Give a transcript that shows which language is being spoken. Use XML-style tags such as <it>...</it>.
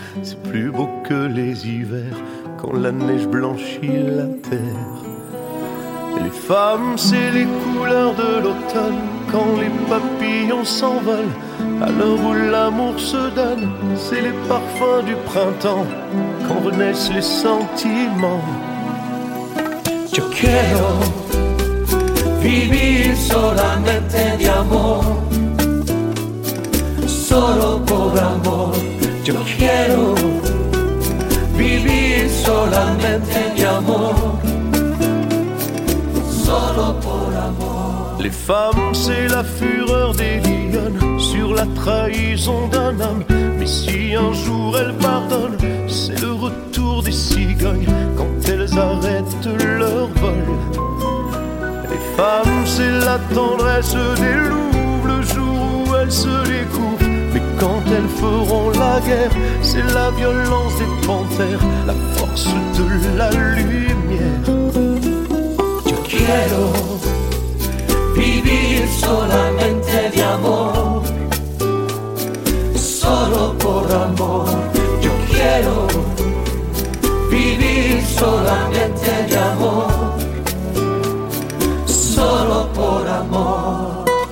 <fr>C'est plus beau que les hivers, quand la neige blanchit la terre. Et les femmes, c'est les couleurs de l'automne, quand les papillons s'envolent, à l'heure où l'amour se donne, c'est les parfums du printemps, quand renaissent les sentiments.</fr> <es>Yo quiero vivir solamente de amor, solo por amor. Yo quiero vivir solamente de amor, solo por amor.</es> <fr>Les femmes, c'est la fureur des lionnes sur la trahison d'un homme. Mais si un jour elles pardonnent, c'est le retour des cigognes quand elles arrêtent leur vol. Les femmes, c'est la tendresse des loups le jour où elles se découvrent. Mais quand elles feront la guerre, c'est la violence des panthères, la force de la lumière.</fr> <es>Yo quiero vivir solamente de amor, solo por amor. Yo quiero vivir solamente de amor, solo por amor.</es>